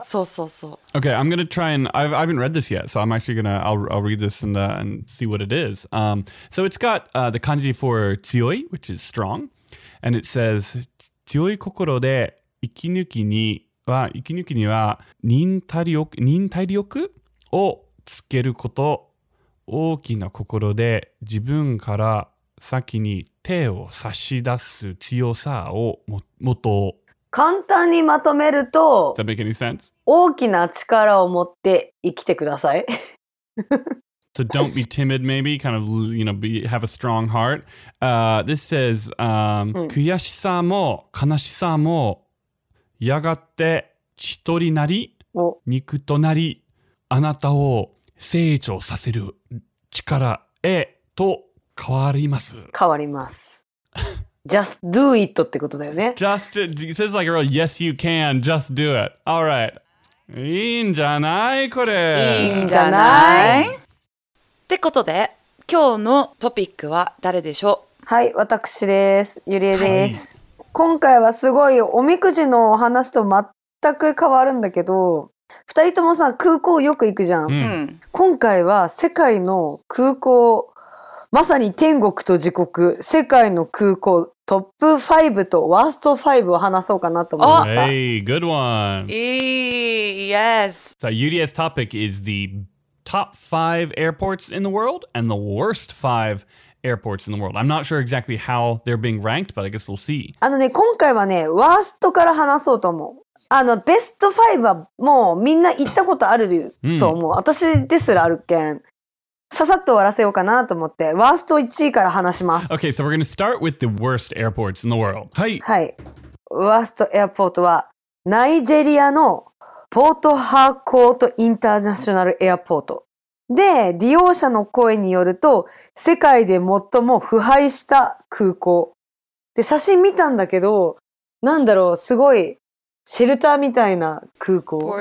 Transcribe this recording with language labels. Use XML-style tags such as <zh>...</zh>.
<ja>そうそうそう。</ja> <en>Okay, I'm gonna try and I haven't read this yet, so I'm actually gonna I'll read this and see what it is. So it's got the kanji for 強い, which is strong, and it says</en> <ja>強い心で生き抜きには忍耐力をつけること。大きな心で自分から先に手を差し出す強さをもと簡単にまとめると</ja> <en>Does that make any sense?</en> <ja>大きな力を持って生きてください</ja> <en>So don't be timid maybe kind of you know have a strong heart This says</en> <ja>悔しさも悲しさもやがて血取りなり肉となりあなたを成長させる力へと変わります。変わります。</ja> <en>Just do it</en> <ja>ってことだよね。</ja> <en>Just it says like a real yes you can, just do it. All right.</en> <ja>いいんじゃないこれ。いいんじゃない。ってことで、今日のトピックは誰でしょう。はい、私です。ゆりえです。はい、今回はすごいおみくじのお話と全く変わるんだけど、2人ともさ、空港よく行くじゃん。うん、今回は世界の空港まさに天国と地獄、世界の空港、トップ5とワースト5を話そうかなと思いました。</ja> <en>Hey, good one! Yes! So, Yurie's topic is the top 5 airports in the world and the worst 5 airports in the world. I'm not sure exactly how they're being ranked, but I guess we'll see.</en> <ja>あのね、今回はね、ワーストから話そうと思う。あの、ベスト5はもうみんな行ったことあると思う。私ですらあるけん。ささっと終わらせようかなと思って、ワースト1位から話します。</ja> <en>Okay, so we're gonna start with the worst airports in the world.</en> <ja>はい。はい。ワーストエアポートは、ナイジェリアのポートハーコートインターナショナルエアポート。で、利用者の声によると、世界で最も腐敗した空港。で、写真見たんだけど、なんだろう、すごい、シェルターみたいな空港。</ja>